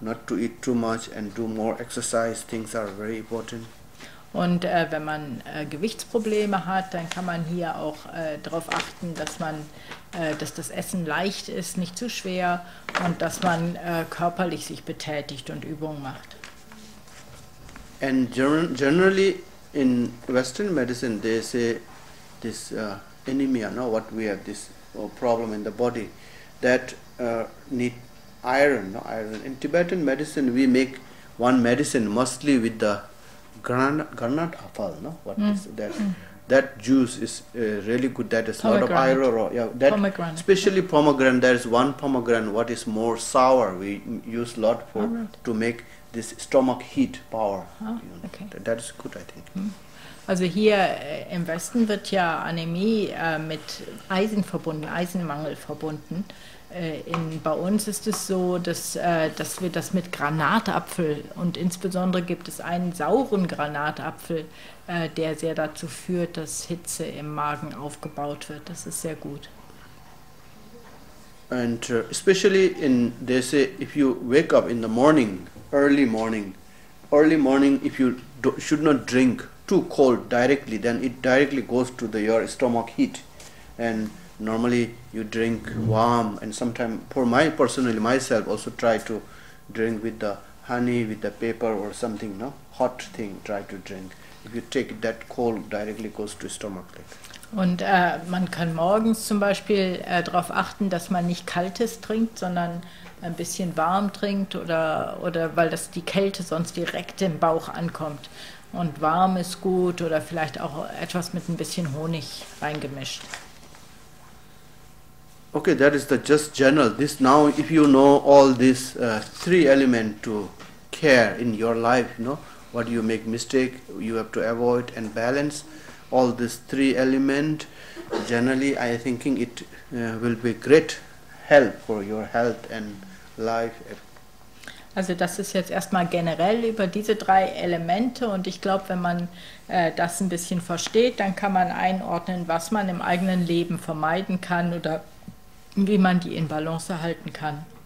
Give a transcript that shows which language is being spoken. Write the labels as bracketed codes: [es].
[en] Not to eat too much and do more exercise. Things are very important. [de] Und wenn man Gewichtsprobleme hat, dann kann man hier auch darauf achten, dass das Essen leicht ist, nicht zu schwer und dass man körperlich sich betätigt und Übungen macht. [en] And generally in Western medicine, they say this anemia, no, what we have this problem in the body that need iron, no, iron. In Tibetan medicine, we make one medicine mostly with the garnet apple, no, what is that? That juice is really good. That is a lot of Pomegranate. iron. Yeah, that Pomegranate. especially pomegranate. There is one pomegranate what is more sour. We use a lot for to make this stomach heat power. Oh, You know, okay. that is good, I think. [de] Also hier im Westen wird ja Anämie mit Eisen verbunden, Eisenmangel verbunden. Bei uns ist es so, dass wir das mit Granatapfel, und insbesondere gibt es einen sauren Granatapfel, der sehr dazu führt, dass Hitze im Magen aufgebaut wird. Das ist sehr gut. [en] And especially in, they say, if you wake up in the morning, early morning, if you should not drink too cold directly, then it directly goes to your stomach heat. And normally you drink warm, and sometimes, myself also try to drink with the honey, with the paper or something, no? Hot thing, try to drink. If you take that cold, directly goes to stomach. [de] Und man kann morgens zum Beispiel darauf achten, dass man nicht Kaltes trinkt, sondern ein bisschen warm trinkt, oder weil das die Kälte sonst direkt im Bauch ankommt. Und warm ist gut, oder vielleicht auch etwas mit ein bisschen Honig reingemischt. [en] Okay, that is the just general. This now, if you know all these three elements to care in your life, you know, what you make mistake, you have to avoid and balance. All these three element, generally, I thinking it will be great help for your health and life. [de] Also das ist jetzt erstmal generell über diese drei Elemente, und ich glaube, wenn man das ein bisschen versteht, dann kann man einordnen, was man im eigenen Leben vermeiden kann oder wie man die in Balance halten kann.